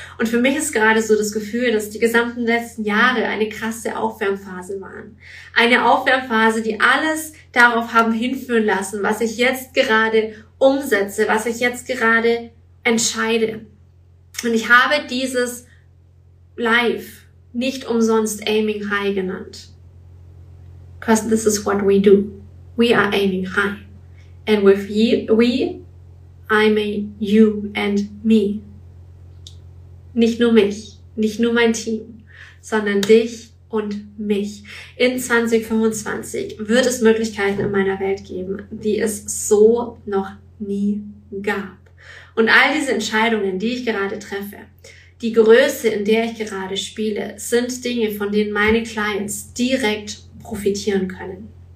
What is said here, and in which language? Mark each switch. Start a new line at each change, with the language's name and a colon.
German: Und für mich ist gerade so das Gefühl, dass die gesamten letzten Jahre eine krasse Aufwärmphase waren. Eine Aufwärmphase, die alles darauf haben hinführen lassen, was ich jetzt gerade umsetze, was ich jetzt gerade entscheide. Und ich habe dieses Live nicht umsonst Aiming High genannt.
English: Because this is what we do. We are aiming high. And with I mean you and me.
German: Nicht nur mich, nicht nur mein Team, sondern dich und mich. In 2025 wird es Möglichkeiten in meiner Welt geben, die es so noch nie gab. Und all diese Entscheidungen, die ich gerade treffe, die Größe, in der ich gerade spiele, sind Dinge, von denen meine Clients direkt profitieren können.